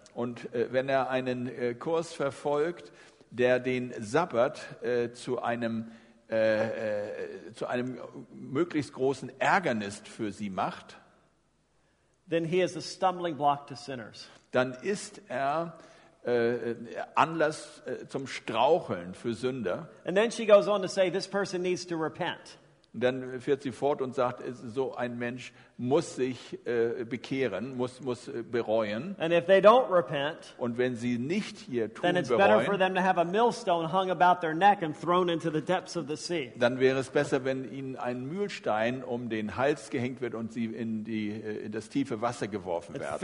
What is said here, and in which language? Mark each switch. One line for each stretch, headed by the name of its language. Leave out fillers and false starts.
German: und wenn er einen Kurs verfolgt, der den Sabbat zu einem zu einem möglichst großen Ärgernis für sie macht,
English: then he is a stumbling block to sinners.
German: Dann ist er Anlass zum Straucheln für Sünder.
English: And then she goes on to say, this person needs to repent.
German: Dann fährt sie fort und sagt, so ein Mensch muss sich bekehren, muss bereuen.
English: And if they don't repent,
German: und wenn sie nicht ihr Tun
English: then it's
German: bereuen,
English: better for them to have a millstone hung about their neck and thrown into the depths of the sea.
German: Dann wäre es besser, wenn ihnen ein Mühlstein um den Hals gehängt wird und sie in das tiefe Wasser geworfen werden.